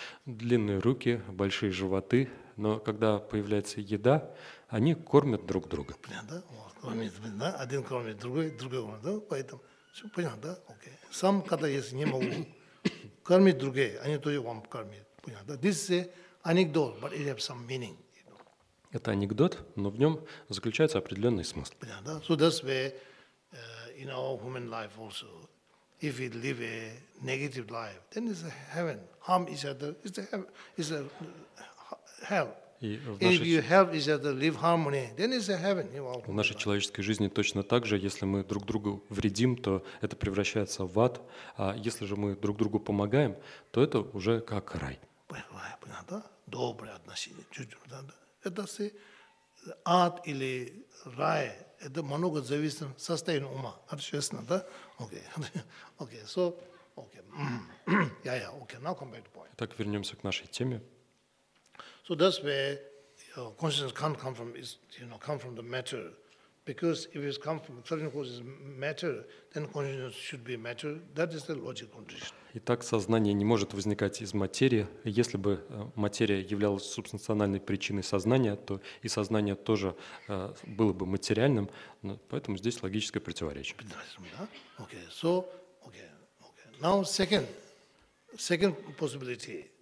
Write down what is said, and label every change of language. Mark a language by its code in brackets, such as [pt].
[ru] Длинные руки, большие животы, но когда появляется еда, они кормят друг друга. Понятно, один кормит другой, другой кормит, да, поэтому, понятно, окей. Сам, когда есть, не могу кормить другие, они тоже вам кормят, понятно. [en] This is anecdote, but it has some meaning. [ru] Это анекдот, но в нем заключается определенный смысл. Понятно. [en] So that's where in our human life also, if we live a negative life, then it's a heaven. Harm each other, it's a heaven, it's a hell. If you help each other, live harmony, then it's a heaven. [ru] В нашей человеческой жизни точно так же, если мы друг другу вредим, то это превращается в ад, а если же мы друг другу помогаем, то это уже как рай. Понятно. Добрые отношения, чуть-чуть, да, да. Это все ад или рай, это много зависит от состояния ума, от честно, да? [en] Окей, окей, so, окей, [ru] я, [en] окей, now come back to point. [ru] Итак, вернемся к нашей теме. [en] So that's where consciousness can't come from, is, you know, come from the matter. Because if it's come from certain causes matter, then consciousness should be matter. That is the logic condition. [ru] Итак, сознание не может возникать из материи. Если бы материя являлась субстанциональной причиной сознания, то и сознание тоже было бы материальным. Поэтому здесь логическое противоречие. [en] Okay. So, okay. Now second possibility.